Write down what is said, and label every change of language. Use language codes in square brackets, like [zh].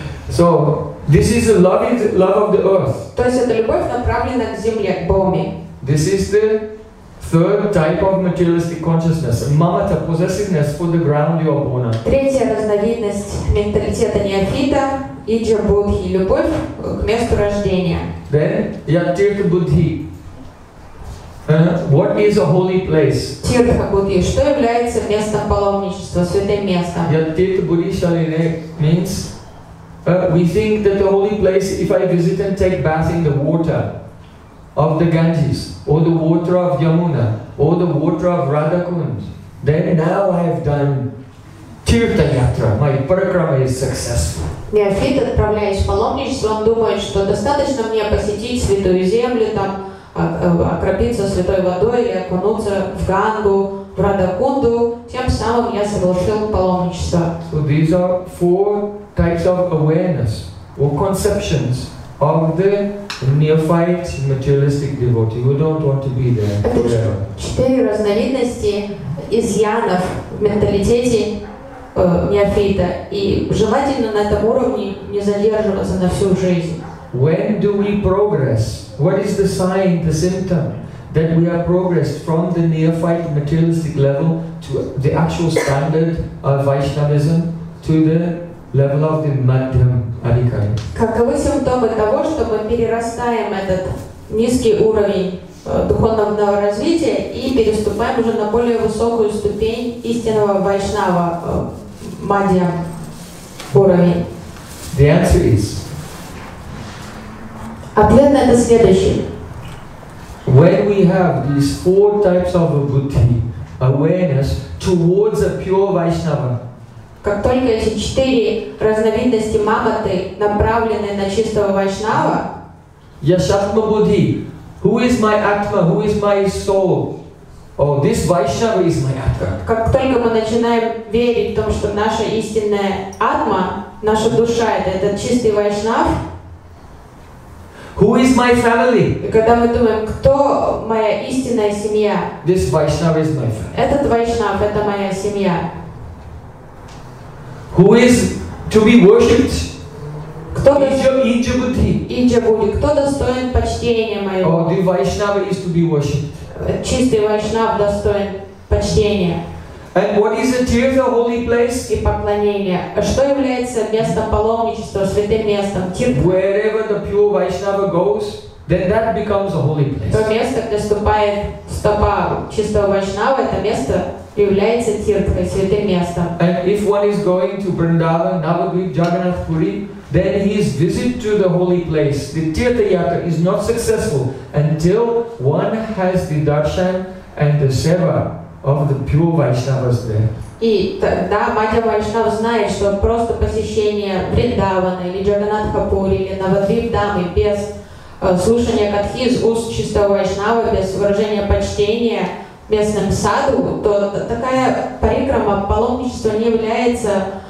[en] So this is the love of the earth. [ru] То есть это любовь, направлена к земле, к Боме. [en] This is the third type of materialistic consciousness, mamata, possessiveness for the ground you are born on. [ru] Третья разновидность менталитета неофита, иджа-буддхи, любовь к месту рождения. [en] Then, яттирха-буддхи. What is a holy place? [ru] Тирха-буддхи, что является местом паломничества, святым местом? [en] Яттирха-буддхи, шалине, means we think that the holy place, if I visit and take bath in the water of the Ganges, or the water of Yamuna, or the water of Radhakund, then now I have done Tirtha Yatra, my parakrama is successful. [ru] Неофит, отправляясь в паломничество, он думает, что достаточно мне посетить святую землю, там окропиться святой водой и окунуться в Гангу, в Радхакунду, тем самым я совершил паломничество. [en] So these are four types of awareness or conceptions of the neophyte materialistic devotee who don't want to be there forever. [ru] Четыре разновидности изъянов в менталитете неофита, и желательно на этом уровне не задерживаться на всю жизнь. [en] When do we progress? What is the sign, the symptom that we have progressed from the neophyte materialistic level to the actual standard of Vaishnavism to the level of the Madhyam Adhikari? [ru] Каковы симптомы того, что мы перерастаем этот низкий уровень духовного развития и переступаем уже на более высокую ступень истинного Вайшнава, Мадхьям уровень? [en] The answer is... [ru] Ответ на это следующий. [en] When we have these four types of a buddhi, awareness towards a pure Vaishnava. [ru] Как только эти четыре разновидности мамоты направлены на чистого Вайшнава. [en] Yashatma buddhi. Who is my Atma? Who is my soul? Oh, this Vaishnava is my Atma. [ru] Как только мы начинаем верить в том, что наша истинная Атма, наша душа, это этот чистый Вайшнав. [en] Who is my family? [ru] Когда мы думаем, кто моя истинная семья? [en] This Vaishnava is my family. [ru] Этот Вайшнав, это моя семья. [en] Who is to be worshipped? [ru] Кто [sa] Ija-buddhi. Ija-buddhi. [ru] Кто достоин почтения моего? [en] Oh, the Vaishnava is to be worshipped. [ru] Чистый Вайшнав достоин почтения. [en] And what is a Tirtha holy place? [ru] И поклонение. А что является местом паломничества, святым местом? Тирта. [en] Wherever the pure Vaishnava goes, then that becomes a holy place. [ru] То место, где ступает стопа чистого Вайшнава, это место является Тиртхой, святым местом. [en] And if one is going to Vrindavan, Navadvip, Jagannath Puri, then his visit to the holy place, the Tirtha Yatra, is not successful until one has the darshan and the seva of the pure Vaishnavas there. [ru] И тогда Мадхьям Вайшнава знает, что просто посещение Вриндавана или Джаганнатха Пури или Навадвип Дамы без слушания катхи из уст чистого Вайшнава, без выражения почтения местным саду, то такая парикрама, паломничество не является